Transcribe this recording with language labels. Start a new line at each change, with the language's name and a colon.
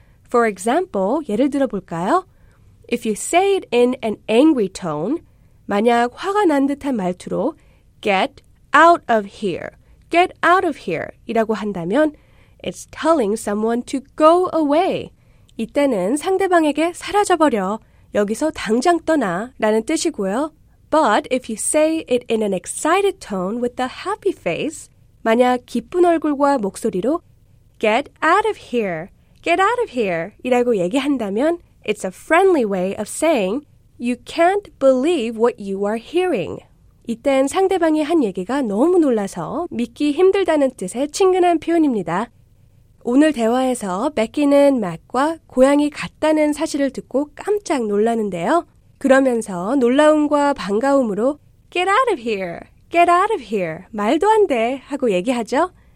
English: For example,
Korean: 예를 들어볼까요?
English: If you say it in an angry tone,
Korean: 만약 화가 난 듯한 말투로
English: get out of here, get out of here
Korean: 이라고 한다면
English: it's telling someone to go away.
Korean: 이때는 상대방에게 사라져버려, 여기서 당장 떠나 라는 뜻이고요.
English: But if you say it in an excited tone with a happy face,
Korean: 만약 기쁜 얼굴과 목소리로
English: get out of here, get out of here
Korean: 이라고 얘기한다면
English: it's a friendly way of saying you can't believe what you are hearing.
Korean: 이땐 상대방이 한 얘기가 너무 놀라서 믿기 힘들다는 뜻의 친근한 표현입니다. 오늘 대화에서 베키는 맥과 고향이 같다는 사실을 듣고 깜짝 놀랐는데요. 그러면서 놀라움과 반가움으로
English: Get out of here! Get out of here!
Korean: 말도 안 돼! 하고 얘기하죠.